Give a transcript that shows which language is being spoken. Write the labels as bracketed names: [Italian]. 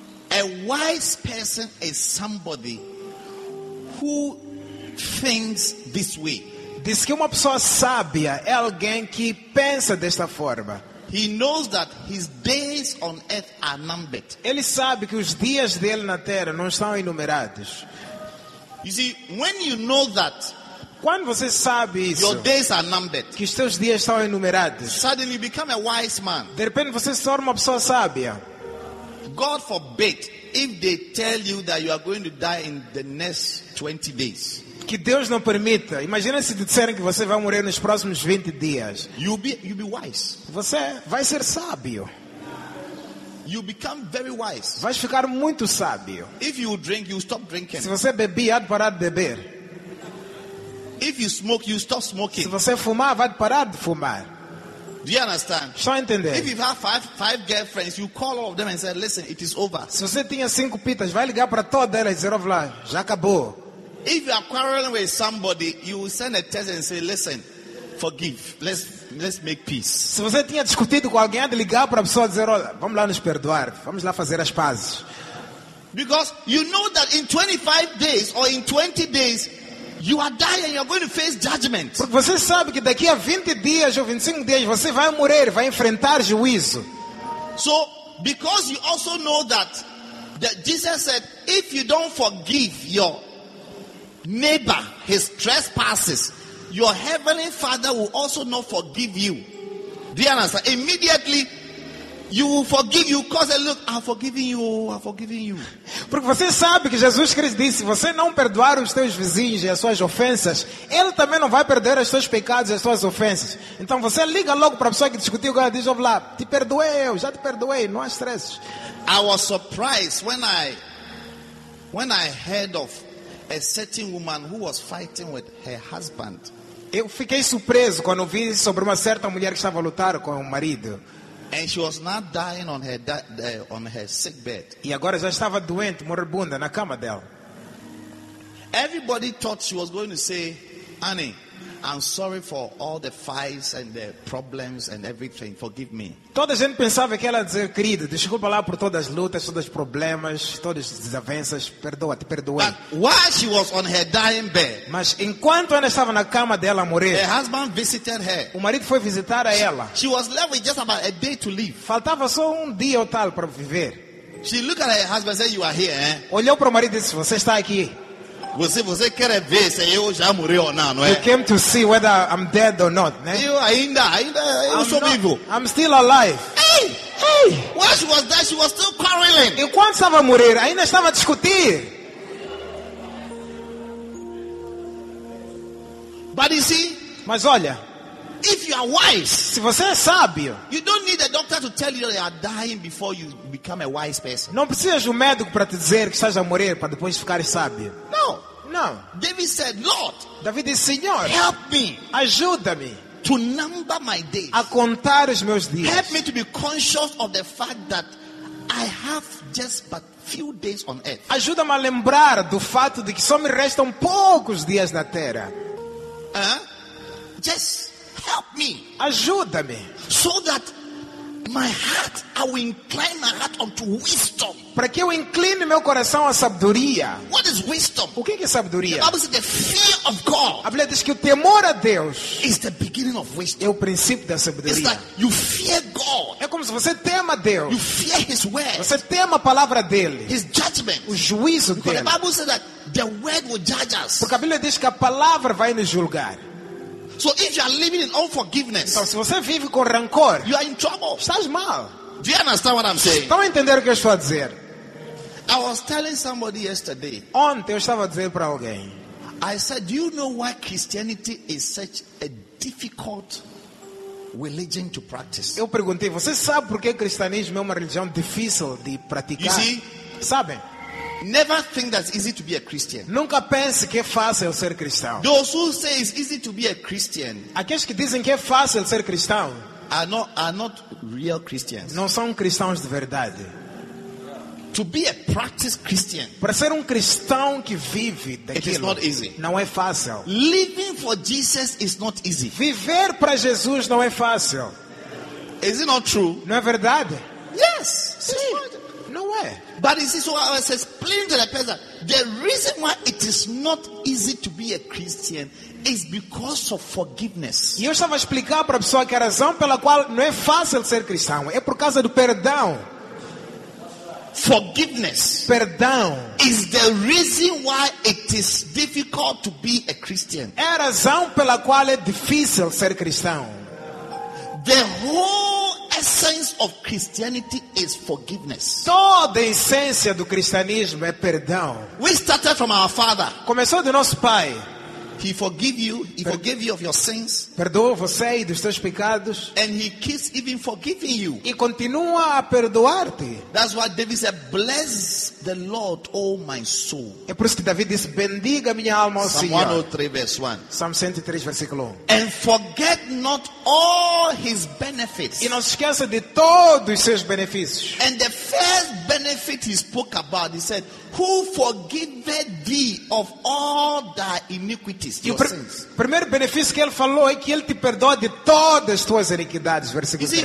[English] a wise person is somebody who thinks this way. [Portuguese] Diz que uma pessoa sábia é alguém que pensa desta forma. [English] He knows that his days on earth are numbered. [Portuguese] Ele sabe que os dias dele na terra não estão enumerados. [English] You see, when you know that, [Portuguese] quando você sabe isso, [English] your days are numbered, [Portuguese] que os seus dias estão enumerados, [English] suddenly you become a wise man. [Portuguese] De repente você se torna uma pessoa sábia. [English] God forbid if they tell you that you are going to die in the next 20 days. [Portuguese] Que Deus não permita. Imagina se disserem que você vai morrer nos próximos 20 dias. [English] You'll be wise. [Portuguese] Você vai ser sábio. [English] You become very wise. [Portuguese] Vais ficar muito sábio. [English] If you drink, you stop drinking. [Portuguese] Se você beber, há de parar de beber. [English] If you smoke, you stop smoking. [Portuguese] Se você fumar, vai parar de fumar. [English] Do you understand? [Portuguese] Só entender. [English] If you have five girlfriends, you call all of them and say, listen, it is over. [Portuguese] Se você tinha cinco pitas, vai ligar para todas elas e dizer, olha lá, já acabou. [English] If you are quarreling with somebody, you will send a text and say, listen, forgive. Let's make peace. [Portuguese] Se você tinha discutido com alguém, de ligar para a pessoa e dizer, olha, vamos lá nos perdoar, vamos lá fazer as pazes. [English] Because you know that in 25 days or in 20 days, you are dying, you are going to face judgment. [Portuguese] Porque você sabe que daqui a 20 dias ou 25 dias você vai morrer, vai enfrentar juízo. [English] So, because you also know that, Jesus said, if you don't forgive your neighbor his trespasses, your heavenly Father will also not forgive you. Do you understand? Immediately, you will forgive you because I look, I'm forgiving you. [Portuguese] Porque você sabe que Jesus Cristo disse, se você não perdoar os teus vizinhos e as suas ofensas, ele também não vai perder os seus pecados e as suas ofensas. Então você liga logo para a pessoa que discutiu com ela e diz, olha lá, te perdoei, eu já te perdoei, não há estresses. [English] I was surprised when I heard of a certain woman who was fighting with her husband. [Portuguese] Eu fiquei surpreso quando vi sobre uma certa mulher que estava a lutar com o marido. [English] And she was not dying on her sick bed. [Portuguese] E agora já estava doente, moribunda na cama dela. [English] Everybody thought she was going to say, Annie, I'm sorry for all the fights and the problems and everything. Forgive me. [Portuguese] Toda a gente pensava que ela ia dizer, querido, desculpa lá por todas as lutas, todos os problemas, todas as desavenças. Perdoa, te perdoei. [English] But while she was on her dying bed, [Portuguese] mas enquanto ela estava na cama dela a morrer, [English] her husband visited her. [Portuguese] O marido foi visitar a ela. [English] She was left with just about a day to live. [Portuguese] Faltava só dia ou tal para viver. [English] She looked at her husband and said, "You are here, eh?" [Portuguese] Olhou para o marido e disse, "Você está aqui." Você quer ver se eu já morri ou não, não é? [English] You came to see whether I'm dead or not, né? [Portuguese] Eu ainda eu sou vivo. [English] I'm still alive. Hey! While she was dead, she was still quarreling. [Portuguese] Enquanto estava a morrer, ainda estava a discutir. [English] But you see, [Portuguese] mas olha, [English] if you are wise, [Portuguese] se você é sábio, [English] you don't need a doctor to tell you that you are dying before you become a wise person. [Portuguese] Não precisa de médico para te dizer que estás a morrer para depois ficar sábio. [English] No. [Portuguese] No. [English] David said, Lord, [Portuguese] David disse, Senhor, [English] help me, [Portuguese] ajuda-me [English] to number my days, [Portuguese] a contar os meus dias. [English] Help me to be conscious of the fact that I have just but few days on earth. [Portuguese] Ajuda-me a lembrar do fato de que só me restam poucos dias na terra. [English] Just help me. [Portuguese] Ajuda-me. [English] So that my heart, I will incline my heart unto wisdom. [Portuguese] Para que eu incline meu coração à sabedoria. [English] What is wisdom? [Portuguese] O que é sabedoria? [English] The Bible says the fear of God. [Portuguese] A Bíblia diz que o temor a Deus [English] is the beginning of wisdom. [Portuguese] É o princípio da sabedoria. [English] It's like you fear God. [Portuguese] É como se você tema Deus. [English] You fear His word. [Portuguese] Você tema a palavra dele. [English] His judgment. [Portuguese] O juízo [English] Because [Portuguese] dele. [English] The Bible says that the word will judge us. [Portuguese] Porque a Bíblia diz que a palavra vai nos julgar. [English] So if you are living in unforgiveness, [Portuguese] então, se você vive com rancor, [English] you are in trouble. [Portuguese] Estás mal. [English] Do you understand what I'm saying? [Portuguese] Estão a entender o que eu estou a dizer? [English] I was telling somebody yesterday. [Portuguese] Ontem eu estava a dizer para alguém. [English] I said, do you know why Christianity is such a difficult religion to practice? [Portuguese] Eu perguntei, você sabe por que o cristianismo é uma religião difícil de praticar? [English] You see? [Portuguese] Sabe? [English] Never think that it's easy to be a Christian. [Portuguese] Nunca pense que é fácil ser cristão. [English] Those who say it's easy to be a Christian. [Portuguese] Aqueles que dizem que é fácil ser cristão. [English] Are not real Christians. [Portuguese] Não são cristãos de verdade. [English] To be a practice Christian. [Portuguese] Para ser cristão que vive daquilo. [English] It is not easy. [Portuguese] Não é fácil. [English] Living for Jesus is not easy. [Portuguese] Viver para Jesus não é fácil. [English] Is it not true? [Portuguese] Não é verdade? [English] Yes. [Portuguese] Sim. Não é. [English] But is this what I was explaining to the person? The reason why it is not easy to be a Christian is because of forgiveness. [Portuguese] E eu estava a explicar para a pessoa que a razão pela qual não é fácil ser cristão é por causa do perdão. [English] Forgiveness, [Portuguese] perdão, [English] is the reason why it is difficult to be a Christian. [Portuguese] É a razão pela qual é difícil ser cristão. [English] The whole essence of Christianity is forgiveness. [Portuguese] Toda a essência do cristianismo é perdão. [English] We started from our Father. [Portuguese] Começou do nosso Pai. [English] He forgive you. He forgave you of your sins. [Portuguese] Perdoou você e dos seus pecados. [English] And he keeps even forgiving you. [Portuguese] E continua a perdoar-te. [English] That's why David said, "Bless the Lord, oh my soul." [Portuguese] É por isso que David disse, "Bendiga minha alma ao Senhor." [English] Psalm 103, verse 1. [Portuguese] Psalm 103, versículo 1. [English] And forget not all his benefits. [Portuguese] E não se esqueça de todos os seus benefícios. [English] And the first benefit he spoke about, he said, "Who forgive thee of all thy iniquities?" [Portuguese] E o primeiro benefício que ele falou é que ele te perdoa de todas as tuas iniquidades, versículo 3.